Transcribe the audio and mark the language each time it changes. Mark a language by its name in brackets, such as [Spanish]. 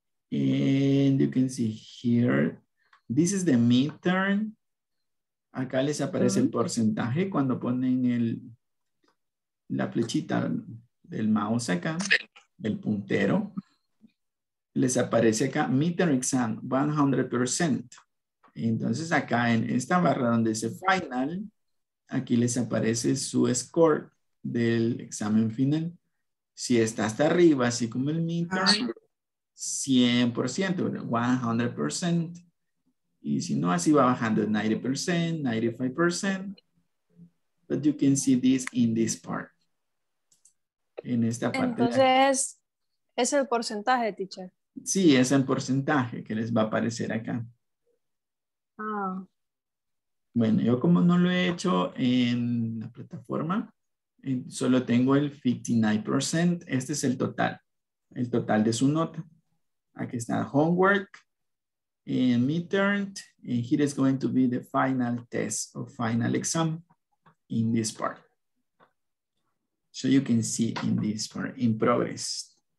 [English] And you can see here, this is the midterm. [Spanish] Acá les aparece el porcentaje cuando ponen la flechita del mouse acá, el puntero, les aparece acá, midterm exam, 100%. Entonces acá en esta barra donde dice final, aquí les aparece su score del examen final. Si está hasta arriba, así como el midterm, 100%, 100%. Y si no, así va bajando, 90%, 95%. [English] But you can see this in this part. [Spanish] En esta parte. Entonces, es el porcentaje, teacher. Sí, es el porcentaje que les va a aparecer acá. Ah. Bueno, yo como no lo he hecho en la plataforma, solo tengo el 59%. Este es el total de su nota. Aquí está [English] homework, and midterm, and here is going to be the final test or final exam in this part. So you can see in this part, in progress.